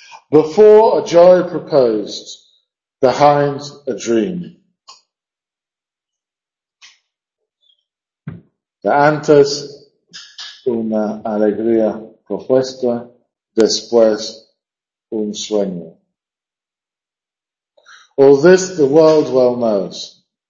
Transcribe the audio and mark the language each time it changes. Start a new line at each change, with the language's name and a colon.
English: Before a joy proposed, behind a dream.
Spanish: De antes una alegría propuesta, después un sueño.
English: All this the world well knows.